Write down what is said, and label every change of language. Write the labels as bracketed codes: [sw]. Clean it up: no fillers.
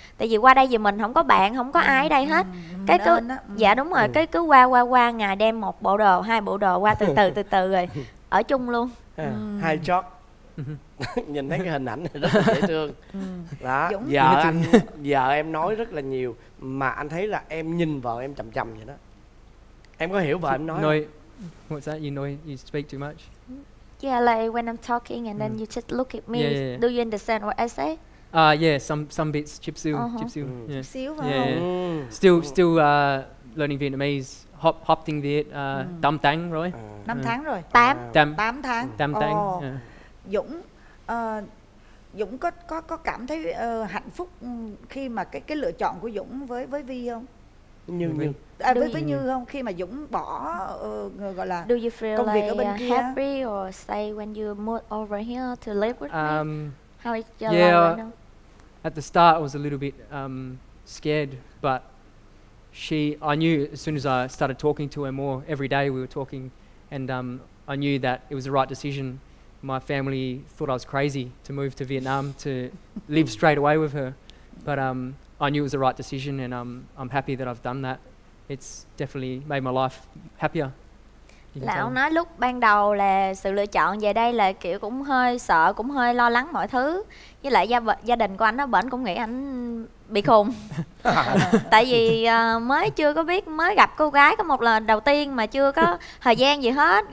[vi] Tại vì qua đây vì mình không có bạn, không có ai ở đây hết. Cái cứ dạ đúng rồi, cái cứ qua ngày đem một bộ đồ, hai bộ đồ qua từ từ rồi ở chung luôn. Hai chót. Nhìn thấy cái hình ảnh này rất là dễ thương. Đó, vợ em nói rất là nhiều mà anh thấy là em nhìn vợ em chằm chằm vậy đó. Em có hiểu vợ em nói không? [en] What's that? You know you speak too much. Yeah, like when I'm talking and then you just look at me. Yeah. Do you understand what I say? Yeah, some bits chipsu, chipsu. Chipsu. Still learning Vietnamese. [vi] Hop thing Viet, tám tháng rồi. 5 tháng rồi. 8. 8 tháng. 8 tháng. Dũng Dũng có cảm thấy hạnh phúc khi mà cái lựa chọn của Dũng với Vi không? Như không, khi mà Dũng bỏ gọi là [en] do you feel [vi] công việc [en] like [vi] ở bên kia [en] happy or stay when you move over here to live with me? How is your life now? At the start I was a little bit scared, but I knew as soon as I started talking to her more every day we were talking, and I knew that it was the right decision. My family thought I was crazy to move to Vietnam to live straight away with her, but I knew it was the right decision, and I'm happy that I've done that. It's definitely made my life happier. [vi] Là ông nói lúc ban đầu là sự lựa chọn về đây là kiểu cũng hơi sợ, cũng hơi lo lắng mọi thứ. Với lại gia đình của anh ở bển cũng nghĩ anh bị khùng. Tại vì mới chưa có biết, mới gặp cô gái có một lần đầu tiên mà chưa có thời gian gì hết.